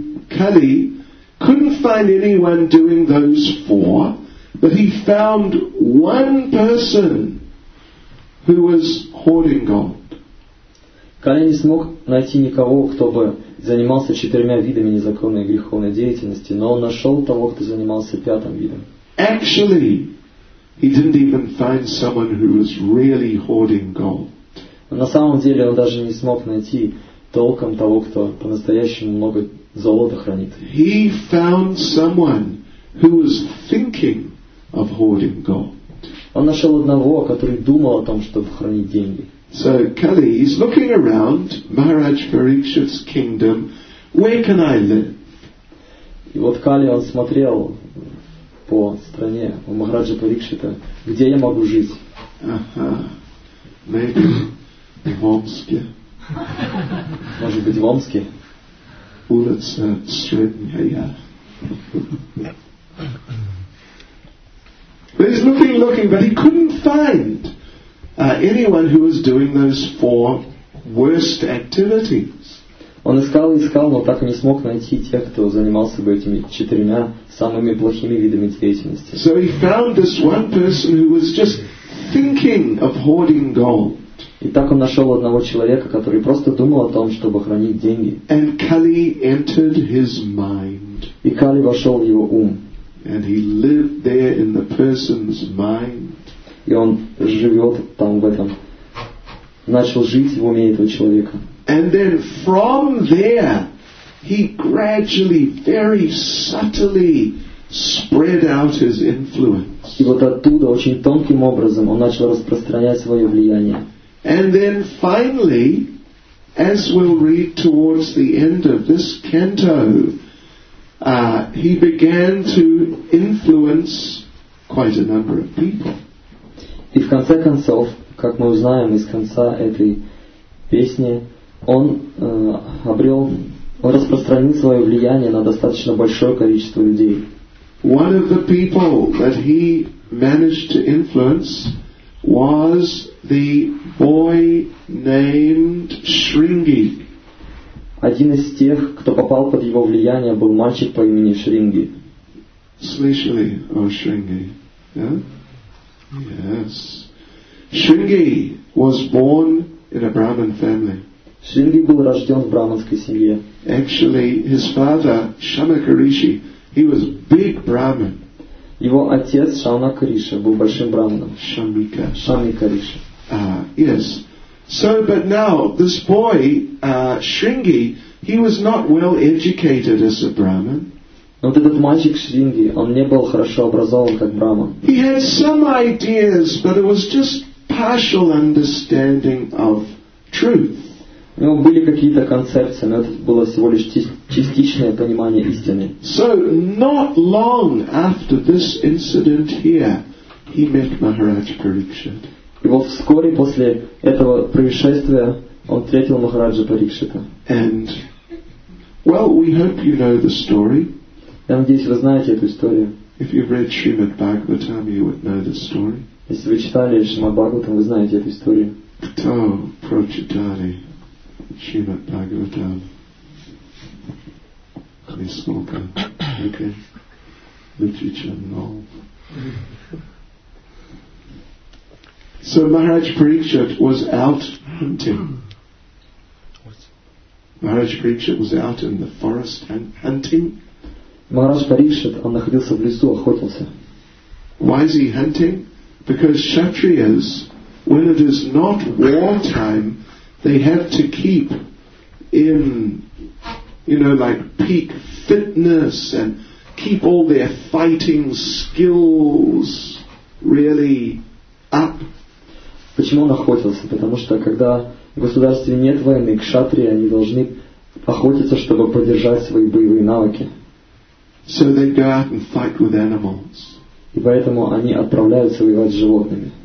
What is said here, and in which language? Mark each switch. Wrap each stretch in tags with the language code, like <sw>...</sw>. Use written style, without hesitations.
<en>Kali couldn't find anyone doing those four, but he found one person who was hoarding gold.</en> <ru>Кали не смог найти никого, кто бы занимался четырьмя видами незаконной и греховной деятельности, но он нашел того, кто занимался пятым видом.</ru> <en>Actually, he didn't even find someone who was really hoarding gold.</en> <ru>На самом деле он даже не смог найти толком того, кто по-настоящему много золота хранит.</ru> <en>He found someone who was thinking of hoarding gold.</en> <ru>Он нашел одного, который думал о том, чтобы хранить деньги.</ru> <en>So Kali is looking around Maharaj Parikshit's kingdom. Where can I live?</en> <ru>И вот Кали он смотрел по стране у Махараджа Парикшита, где я могу жить? Ага. В Омске. Может быть, в Омске? Улица Средняя.</ru> <en>But he's looking, but he couldn't find anyone who was doing those four worst activities.</en> <ru>Он искал, но так и не смог найти тех, кто занимался бы этими четырьмя самыми плохими видами деятельности.</ru> <en>So he found this one person who was just thinking of hoarding gold.</en> <ru>И так он нашел одного человека, который просто думал о том, чтобы хранить деньги.</ru> <en>And Kali entered his mind.</en> <ru>И Кали вошел в его ум.</ru> <en>And he lived there in the person's mind.</en> <ru>И он живет там в этом. Начал жить в уме этого человека.</ru> <en>And then from there, he gradually, very subtly, spread out his influence.</en> <ru>И вот оттуда очень тонким образом он начал распространять свое влияние.</ru> <en>And then finally, as we'll read towards the end of this canto, he began to influence quite a number of people.</en> <ru>И в конце концов, как мы узнаем из конца этой песни, он обрел, он распространил свое влияние на достаточно большое количество людей.</ru> <en>One of the people that he managed to influence was the boy named Shringi.</en> <ru>Один из тех, кто попал под его влияние, был мальчик по имени Шринги. Слышали о Шринги?</ru> <en>Yes. Шринги was born in a Brahmin family.</en> <ru>Шринги был рожден в брахманской семье.</ru> <en>Actually, his father, Shamaka Rishi, he was big Brahmin.</en> <ru>Его отец, Шамака Риши, был большим брахманом.</ru> <en>Shamika Rishi. Yes. So, but now, this boy, Shringi, he was not well educated as a Brahmin.</en> <ru>Но вот этот мальчик Шринги, он не был хорошо образован как брахман.</ru> <en>He had some ideas, but it was just partial understanding of truth.</en> <ru>У него были какие-то концепции, но это было всего лишь частичное понимание истины.</ru> <en>So, not long after this incident here, he met Maharaj Parikshit.</en> <ru>И вот вскоре после этого происшествия он встретил Махараджа Парикшита.</ru> <en>And well, we hope you know the story.</en> <ru>Я надеюсь, вы знаете эту историю.</ru> <en>If you've read Srimad Bhagavatam, you would know the story.</en> <ru>Если вы читали Шримад Бхагаватам, вы знаете эту историю. Кто прочитал Шримад Бхагаватам? Несколько.</ru> <en>Okay. Literature, no. So Maharaj Parikshit was out hunting. Maharaj Parikshit was out in the forest and hunting.</en> <ru>Maharaj Parikshit, он находился в лесу, охотился.</ru> <en>Why is he hunting? Because Kshatriyas, when it is not war time, they have to keep in, you know, like peak fitness and keep all their fighting skills really up.</en> <ru>Почему он охотился? Потому что когда в государстве нет войны, кшатрии, они должны охотиться, чтобы поддержать свои боевые навыки.</ru> <en>So they go out and fight with animals.</en> <ru>И поэтому они отправляются воевать с животными.</ru>